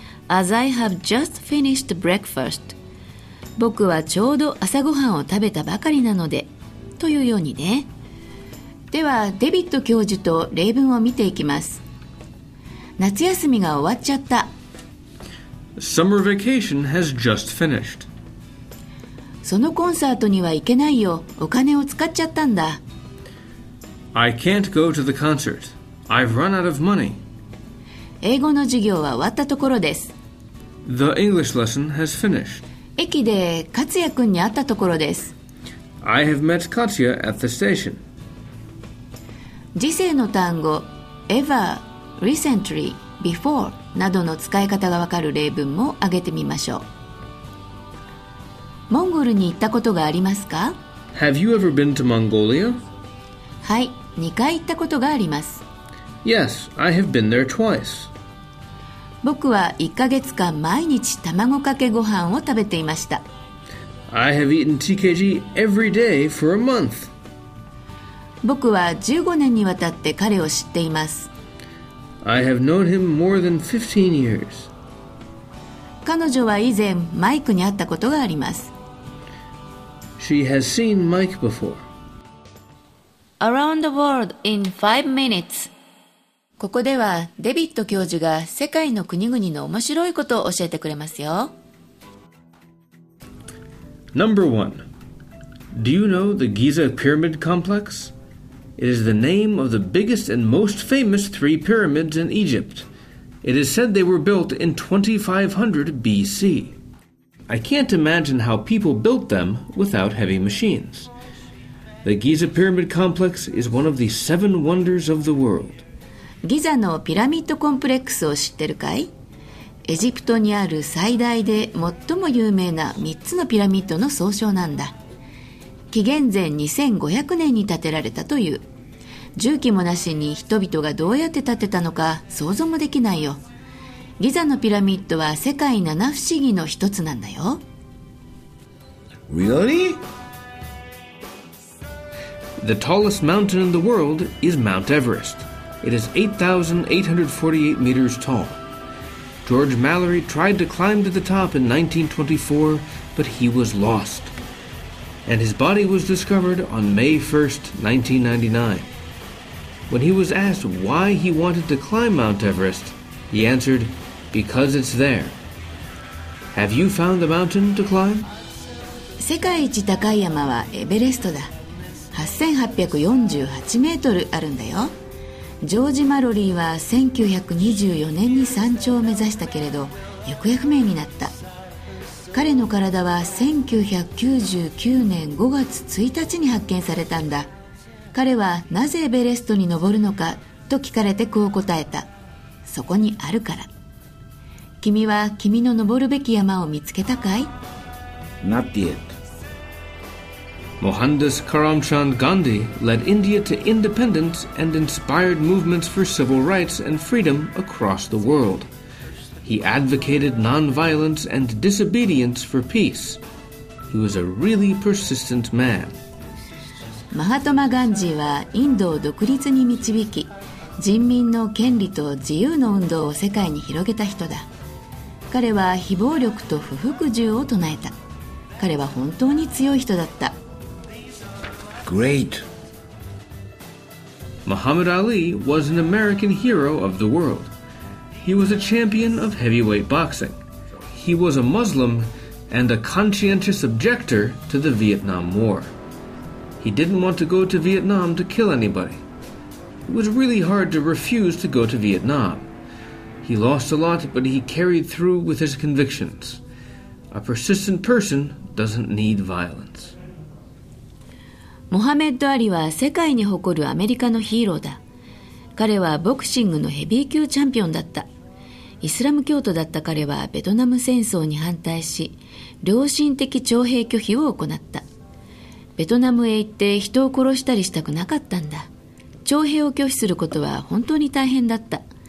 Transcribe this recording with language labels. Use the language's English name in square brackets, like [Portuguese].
[English] As I have just finished breakfast、 [Japanese] 僕はちょうど朝ごはんを食べたばかりなので、というようにね。ではデビッド教授と例文を見ていきます。夏休みが終わっちゃった。 [English] Summer vacation has just finished。 [Japanese] そのコンサートには行けないよ、お金を使っちゃったんだ。 [English] I can't go to the concert. I've run out of money. [Japanese] 英語の授業は終わったところです。 [English] The English lesson has finished. [Japanese] 駅で勝也君に会ったところです。 [English] I have met Katya at the station. [Japanese] 時制の単語 ever、recently、before などの使い方がわかる例文も挙げてみましょう。モンゴルに行ったことがありますか？ [English] Have you ever been to Mongolia? [Japanese] はい、2回行ったことがあります。 [English] Yes, I have been there twice. [Japanese] 僕は1ヶ月間毎日卵かけご飯を食べていました。 [English] I have eaten TKG every day for a month. [Japanese] 僕は15年にわたって彼を知っています。 [English] I have known him more than 15 years. [Japanese] 彼女は以前マイクに会ったことがあります。 [English] She has seen Mike before. Around the world in 5 minutes. [Japanese] ここではデビッド教授が世界の国々の面白いことを教えてくれますよ。 [English] Number 1. Do you know the Giza Pyramid Complex? It is the name of the biggest and most famous three pyramids in Egypt. It is said they were built in 2500 BC. I can't imagine how people built them without heavy machines. The Giza Pyramid Complex is one of the seven wonders of the world. [Japanese] ギザのピラミッドコンプレックスを知ってるかい？エジプトにある最大で最も有名な3つのピラミッドの総称なんだ。紀元前2500年に建てられたという。重機もなしに人々がどうやって建てたのか想像もできないよ。ギザのピラミッドは世界七不思議の一つなんだよ。 [English] Really? The tallest mountain in the world is Mount Everest. It is 8,848 meters tall. George Mallory tried to climb to the top in 1924, but he was lost. And his body was discovered on May 1st, 1999. When he was asked why he wanted to climb Mount Everest, he answered, "Because it's there." Have you found the mountain to climb? [Japanese] 世界一高い山はエベレストだ。8848メートルあるんだよ。ジョージ・マロリーは1924年に山頂を目指したけれど行方不明になった。彼の体は1999年5月1日に発見されたんだ。彼はなぜエベレストに登るのかと聞かれてこう答えた。そこにあるから。君は君の登るべき山を見つけたかい？ [English] Not yet Mohandas Karamchand Gandhi led India to independence and inspired movements for civil rights and freedom across the world. He advocated non-violence and disobedience for peace. He was a really persistent man. [Japanese] Mahatma Gandhi はインドを独立に導き、人民の権利と自由の運動を世界に広げた人だ。彼は非暴力と不服従を唱えた。彼は本当に強い人だった。 [English] Great. Muhammad Ali was an American hero of the world. He was a champion of heavyweight boxing. He was a Muslim and a conscientious objector to the Vietnam War. He didn't want to go to Vietnam to kill anybody. It was really hard to refuse to go to Vietnam. He lost a lot, but he carried through with his convictions. A persistent person doesn't need violence. [Japanese] モハメッド・アリは世界に誇るアメリカのヒーローだ。彼はボクシングのヘビー級チャンピオンだった。イスラム教徒だった彼はベトナム戦争に反対し、良心的徴兵拒否を行った。ベトナムへ行って人を殺したりしたくなかったんだ。徴兵を拒否することは本当に大変だった。